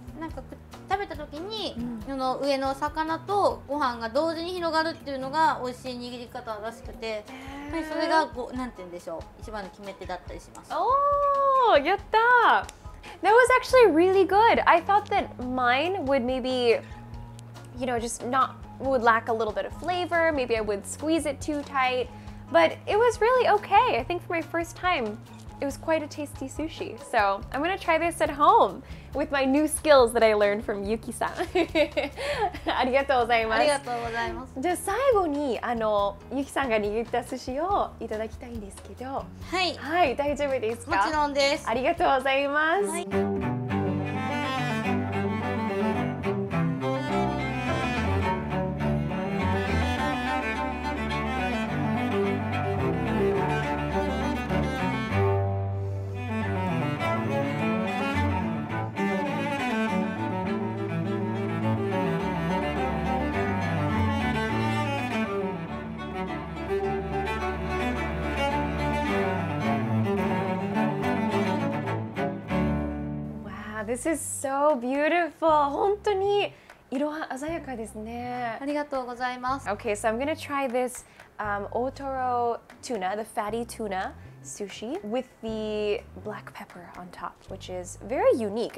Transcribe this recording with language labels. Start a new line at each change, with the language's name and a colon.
Japanese: なんか食べた時に、その上の魚とご飯が同時に広がるっていうのが美味しい握り方らしくて、はい、それがこう、なんて言うんでしょう、一番の決め手だったりします。おー、やったー。
English: That was actually really good. I thought that mine would maybe, you know, just not, would lack a little bit of flavor. Maybe I would squeeze it too tight. But it was really okay. I think for my first time, it was quite a tasty sushi. So I'm going to try this at home with my new skills that I learned from Yuki-san.
Japanese: ありがとうございます。ありがとうございます。じゃあ最後に、あの、Yuki-san が握った寿司をいただきたいんですけど。はい。はい、大丈夫ですか？もちろんです。ありがとうございます。はい。
English: This is so beautiful.
Japanese: 本当に色鮮やかですね。ありがとうございます。
English: Okay, so I'm gonna try this otoro tuna, the fatty tuna sushi with the black pepper on top, which is very unique.